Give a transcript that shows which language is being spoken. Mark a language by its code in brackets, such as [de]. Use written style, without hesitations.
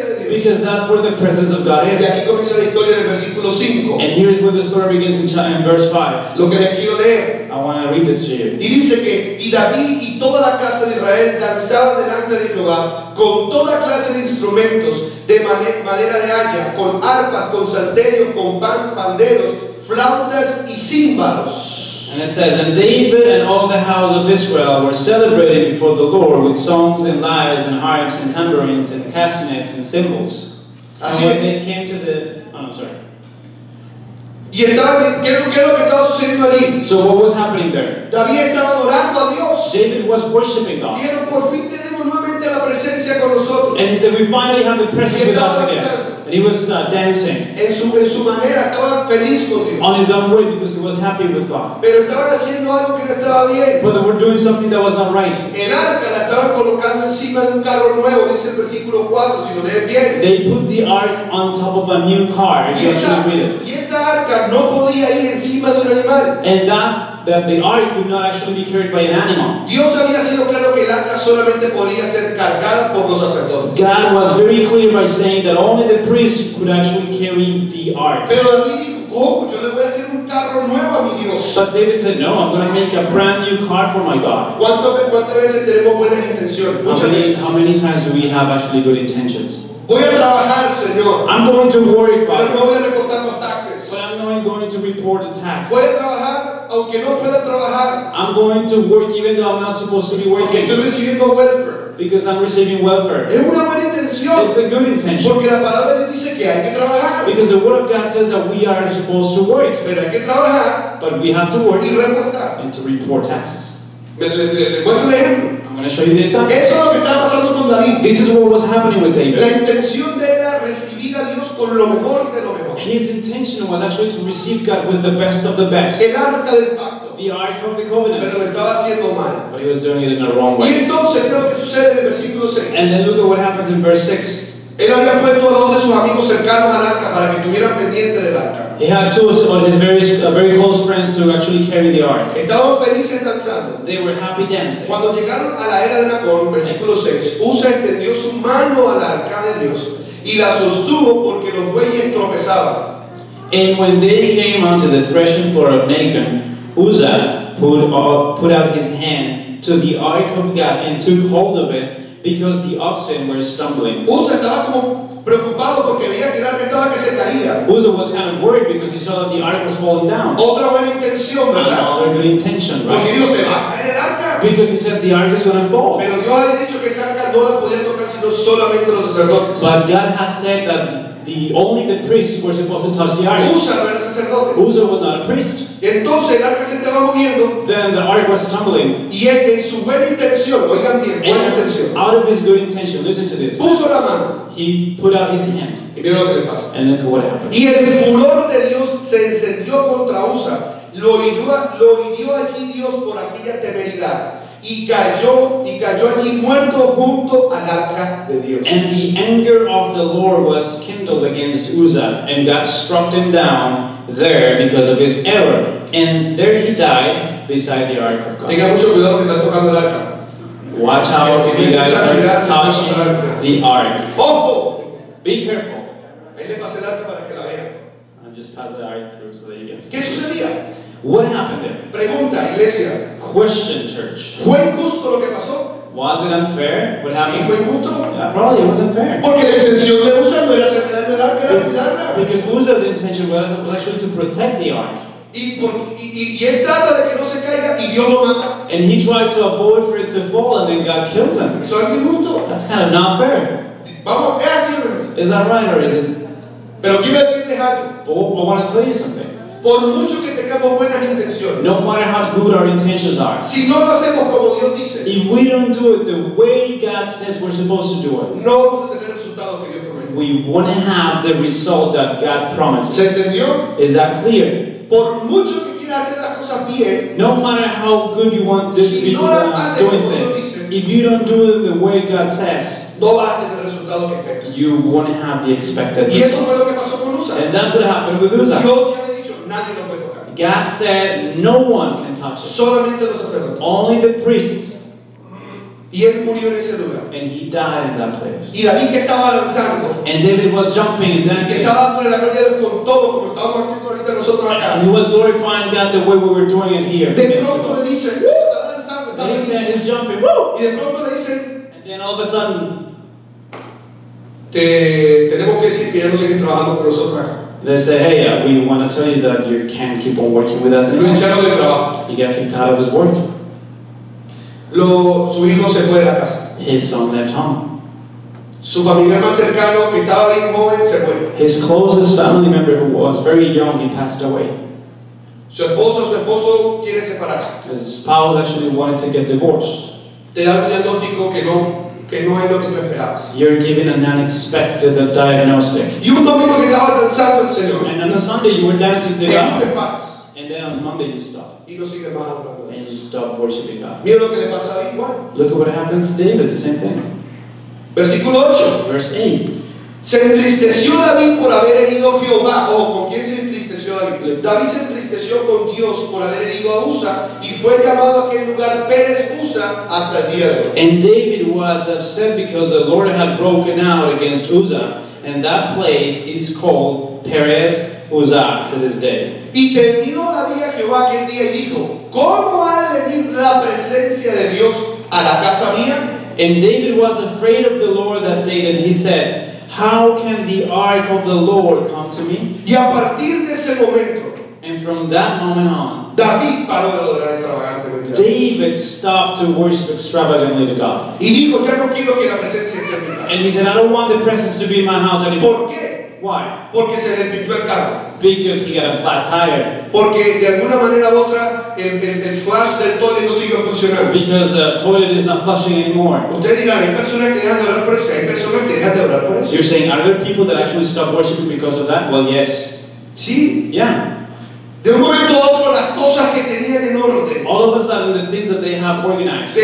[en] Because that's where the presence of God is. [es] Y aquí comienza la historia en el versículo 5. [en] And here's where the story begins in verse 5. [es] Lo que le quiero leer. [en] I want to read this to you. [es] Y dice que, y David y toda la casa de Israel danzaban delante de Jehová con toda clase de instrumentos, de madera de haya, con arpas, con salterios, con panderos, flautas y címbalos. [en] And it says, and David and all the house of Israel were celebrating before the Lord with songs and lyres and harps and tambourines and castanets and cymbals. [es] Así [en] and when [es] es. [en] They came to the, sorry. [es] Y estaba, ¿qué es lo que estaba sucediendo allí? [en] So what was happening there? [es] David estaba adorando a Dios. [en] David was worshiping God. [es] Dijeron, por fin tenemos nuevamente la presencia con nosotros. [en] And he said, we finally have the presence with us again. And he was dancing [es] en su manera, estaba feliz con Dios. [en] On his own way because he was happy with God. [es] Pero estaban haciendo algo que no estaba bien. [en] But they were doing something that was not right. [es] El arca la estaban colocando encima de un carro nuevo, dice el versículo 4, si lo leen bien. [en] They put the ark on top of a new car. [es] Y esa arca no podía ir encima de un animal. [en] And that the ark could not actually be carried by an animal. [es] Dios había sido claro que el arca solamente podía ser cargada por los sacerdotes. [en] God was very clear by saying that only the priests could actually carry the ark. [es] Pero David dijo, yo le voy a hacer un carro nuevo a mi Dios. [en] But David said, no, I'm going to make a brand new car for my God. [es] ¿Cuántas veces tenemos buenas intenciones? [en] How many times do we have actually good intentions? [es] Voy a trabajar, Señor. [en] I'm going to worry, Father. [es] Pero no voy a reportar los taxes. [en] But I'm not going to report the tax. [es] Voy a trabajar. Aunque no pueda trabajar, [en] I'm going to work even though I'm not supposed to be working. [es] Okay, estoy recibiendo welfare. [en] Because I'm receiving welfare. [es] Es una buena intención. [en] It's a good intention. [es] Porque la palabra le dice que hay que trabajar. [en] Because the word of God says that we are supposed to work. [es] Pero hay que trabajar. [en] But we have to work. [es] Y reportar. [en] And to report taxes. [es] ¿Le [en] I'm going to show you the example. [es] Eso es lo que está pasando con David. [en] This is what was happening with David. [es] La intención de él era recibir a Dios con lo mejor de lo mejor. [en] His intention was actually to receive God with the best of the best. [es] El arca del pacto. [en] The Ark of the Covenant. [es] Pero lo estaba haciendo mal. [en] But he was doing it in a wrong way. [es] Y entonces, creo que sucede en el versículo 6. [en] And then look at what happens in verse 6. [es] Él había puesto a dos de sus amigos cercanos al arca para que tuvieran pendiente del arca. [en] He had two of his very close friends to actually carry the ark. [es] Estaban felices danzando. [en] They were happy dancing. [es] Cuando llegaron a la era de Nacón, versículo 6, Uzza extendió su mano al arca de Dios. Y la sostuvo porque los bueyes tropezaban. [en] And when they came onto the threshing floor of Nacon, Uzza put out his hand to the ark of God and took hold of it because the oxen were stumbling. [es] Uzza estaba como preocupado porque veía que el arca estaba que se caía. [en] Uzza was kind of worried because he saw that the ark was falling down. [es] Otra buena intención, ¿verdad? [en] Another good intention, right? [es] Porque Dios se va a caer el arca. [en] Because he said the ark is going to fall. [es] Pero Dios había dicho que esa arca no la podía tocar. [en] But God has said that the only the priests were supposed to touch the ark. Uzza was not a priest. [es] Entonces, el arca se estaba moviendo, [en] then the ark was stumbling. [es] Y él, en su buena intención, oigan bien, buena [en] and [es] intención, [en] out of his good intention, listen to this. [es] Puso la mano, [en] he put out his hand. [es] Y mira lo que le pasa. [en] And look what happened. [es] Y el furor de Dios se encendió contra Uzza. Lo hirió allí Dios por aquella temeridad. Y cayó allí muerto junto al arca de Dios. [en] And the anger of the Lord was kindled against Uzza, and God struck him down there because of his error. And there he died beside the ark of God. [es] Tenga mucho cuidado que está tocando el arca. [en] Watch out if you guys are touching the ark. [es] Ojo! [en] Be careful. [es] Ahí le pasé el arco para que la vean. [en] I'll just pass the ark through so that you guys. [es] ¿Qué sucedía? [en] What happened there? [es] Pregunta, iglesia. [en] Question, church. [es] ¿Fue injusto lo que pasó? [en] Was it unfair? What happened? [es] Sí, fue injusto. [en] Yeah, probably it was unfair. [es] Porque la intención de Uzzah no era quedarme el arco, era cuidarla. [en] Because Uzzah's intention was actually to protect the ark. [es] Y él trata de que no se caiga y Dios lo mata. [en] And he tried to avoid for it to fall and then God kills him. [es] Eso es injusto. [en] That's kind of not fair. [es] Vamos, es así. [en] Is that right or is it? [es] Pero quiero decirte algo. [en] But I want to tell you something. [es] Por mucho que tengamos buenas intenciones. [en] No matter how good our intentions are. [es] Si no lo hacemos como Dios dice. [en] If we don't do it the way God says we're supposed to do it. [es] No vamos a tener el resultado que Dios promete. [en] We want to have the result that God promises. [es] ¿Se entendió? [en] Is that clear? [es] Por mucho que quieras hacer las cosas bien. [en] No matter how good you want this [es] si [en] to be [es] no [en] doing things. [es] Dice, [en] if you don't do it the way God says. [es] No vas a tener el resultado que esperas. [en] You won't have the expected result. [es] Y eso fue lo que pasó con Uzzah. [en] And that's what happened with Uzzah. [es] Dios ya había dicho, nadie lo puede tocar. [en] God said, no one can touch it. [es] Solamente los sacerdotes. [en] Only the priests. [es] Y él murió en ese lugar. [en] And he died in that place. [es] Y David que estaba lanzando. [en] And David was jumping and dancing. [es] Y que estaba por la gloria de Dios con todo como estábamos haciendo ahorita nosotros acá. [en] And he was glorifying God the way we were doing it here. [es] De pronto le dicen, ¡woo! Está lanzando, está feliz. [en] And he said, he's jumping, ¡woo! [es] Y de pronto le dicen. [en] And then all of a sudden. [es] Tenemos que decir que ya no seguimos trabajando con nosotros acá. [en] They say, hey, we want to tell you that you can't keep on working with us anymore. [es] Lo echaron del trabajo. [en] He got kicked out of his work. [es] Su hijo se fue de la casa. [en] His son left home. [es] Su familiar más cercano, que estaba bien joven, se fue. [en] His closest family member, who was very young, he passed away. [es] Su esposo quiere separarse. [en] His spouse actually wanted to get divorced. [es] Te da un diagnóstico que no es lo que tú esperabas. [en] You're given an unexpected diagnostic. [es] Y un domingo que estaba danzando el Señor. [en] And on a Sunday you were dancing to God. [es] En paz. [en] And then on Monday you stopped. [es] Y no sigue más adorando. [en] And you stop worshiping God. [es] Mira lo que le pasa a David. [en] Look at what happens to David, the same thing. [es] Versículo 8. [en] Verse 8. [es] Se entristeció David por haber herido a Jehová. Ojo, ¿con quién se entristeció David? David se entristeció con Dios por haber herido a Uzzah y fue llamado a aquel lugar Pérez Uzzah hasta el día de hoy. [en] And David was upset because the Lord had broken out against Uzzah, and that place is called Pérez Uzzah to this day. [es] Y temió David a Jehová aquel día y dijo, ¿cómo ha de venir la presencia de Dios a la casa mía? [en] And David was afraid of the Lord that day, and he said, how can the ark of the Lord come to me? [es] Y a partir de ese momento, [en] and from that moment on, [es] David paró de adorar extravagantemente. [en] David stopped to worship extravagantly to God. [es] Y dijo, ya no quiero que la presencia esté en mi casa. [en] And he said, I don't want the presence to be in my house anymore. [es] ¿Por qué? [en] Why? [es] Porque se le pinchó el carro. [en] Because he got a flat tire. [es] Porque de alguna manera u otra el flush del toilet no sigue funcionando. [en] Because the toilet is not flushing anymore. [es] Usted dirá, hay personas que dejan de orar por eso. Hay personas que dejan de orar por eso. [en] You're saying, are there people that actually stop worshiping because of that? Well, yes. [es] Sí. [en] Yeah. [es] De un momento a otro las cosas que tenían en orden. [en] All of a sudden the things that they have organized.